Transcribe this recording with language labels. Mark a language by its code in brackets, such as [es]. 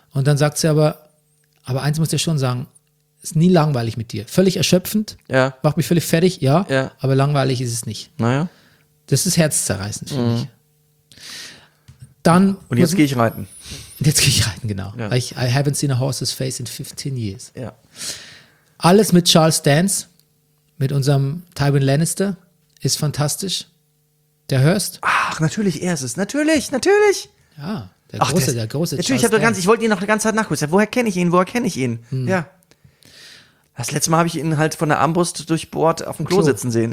[de] Und dann sagt sie aber eins muss ich schon sagen, ist nie langweilig mit dir. Völlig erschöpfend, macht mich völlig fertig, aber langweilig ist es nicht. Naja. Das ist herzzerreißend, finde ich. Dann und jetzt gehe ich reiten. Und jetzt gehe ich reiten, genau. Ja. Weil [en] I haven't seen a horse's face in 15 years. [de] Ja. Alles mit Charles Dance, mit unserem Tywin Lannister, ist fantastisch. Der Hurst. Ach, natürlich, er ist es. Natürlich. Ja, der große natürlich, Charles Dance. Ich wollte ihn noch eine ganze Zeit nachgucken. Woher kenne ich ihn? Hm. Ja. Das letzte Mal habe ich ihn halt von der Armbrust durchbohrt auf dem Klo sitzen sehen.